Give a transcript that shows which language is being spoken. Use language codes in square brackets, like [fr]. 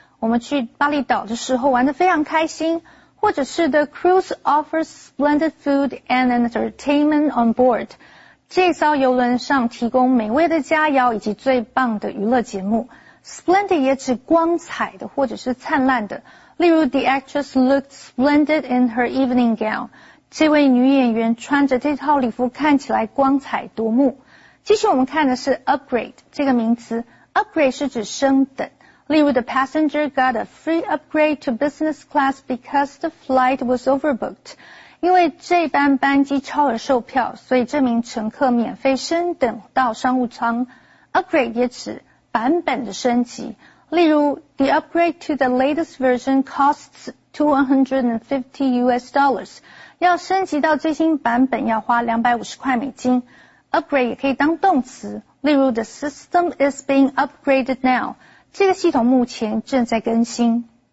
[zh] 我们去巴厘岛的时候玩得非常开心。或者是 [en] the cruise offers splendid food and entertainment on board. [zh] 这艘游轮上提供美味的佳肴以及最棒的娱乐节目。 Splendid 也指光彩的或者是灿烂的。例如 [en] ,the actress looked splendid in her evening gown. [zh] 这位女演员穿着这套礼服看起来光彩夺目。继续我们看的是 upgrade 这个名词。upgrade 是指升等。例如 [en] ,the passenger got a free upgrade to business class because the flight was overbooked. [zh] 因为这班班机超额售票，所以这名乘客免费升等到商务舱。 upgrade 也指版本的升级。例如 [en] ,the upgrade to the latest version costs $250 US. [zh] 要升级到最新版本要花250块美金。 [en] Upgrade [zh] 也可以当动词，例如 [en] The system is being upgraded now. [zh] 这个系统目前正在更新。